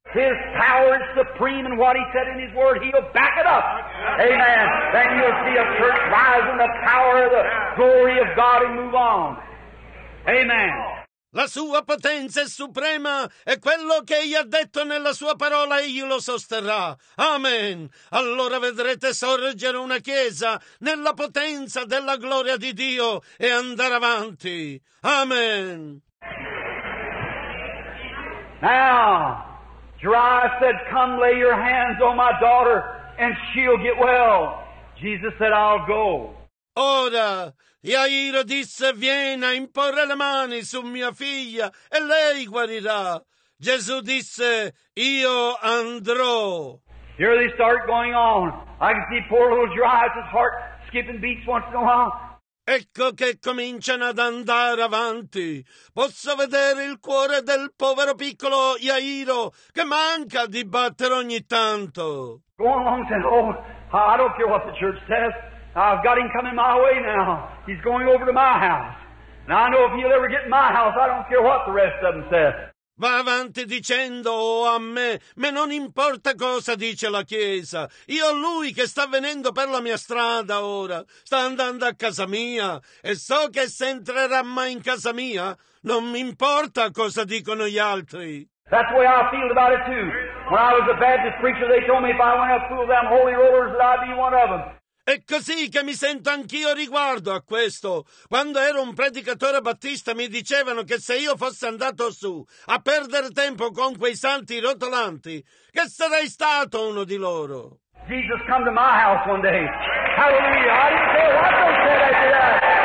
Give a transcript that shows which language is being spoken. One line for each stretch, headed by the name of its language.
English: His power is supreme in what he said in his word. He'll back it up. Amen. Then you'll see a church rise in the power of the glory of God and move on. Amen.
Italian: La sua potenza è suprema e quello che egli ha detto nella sua parola egli lo sosterrà. Amen. Allora vedrete sorgere una chiesa nella potenza della gloria di Dio e andare avanti. Amen.
English: Now, Jairus said, come lay your hands on my daughter and she'll get well. Jesus said, I'll go.
Italian: Ora, Jairo disse, vieni a imporre le mani su mia figlia e lei guarirà. Gesù disse, io andrò.
English: Here they start going on. I can see poor little Jairus' heart skipping beats once in a while.
Italian: Ecco che cominciano ad andare avanti. Posso vedere il cuore del povero piccolo Jairo che manca di battere ogni tanto.
English: Go along and say, oh, I don't care what the church says. I've got him coming my way now. He's going over to my house. And I know if he'll ever get in my house, I don't care what the rest of them say.
Italian: Va avanti dicendo, oh, a me non importa cosa dice la Chiesa. Io lui che sta venendo per la mia strada ora, sta andando a casa mia, e so che se entrerà mai in casa mia, non mi importa cosa dicono gli altri.
English: That's the way I feel about it too. When I was a Baptist preacher, they told me if I went up through them holy rollers, that I'd be one of them.
Italian: È così che mi sento anch'io riguardo a questo. Quando ero un predicatore battista mi dicevano che se io fossi andato su a perdere tempo con quei santi rotolanti, che sarei stato uno di loro.
English: Jesus, come to my house one day. Hallelujah. I didn't say that. I don't say that to that.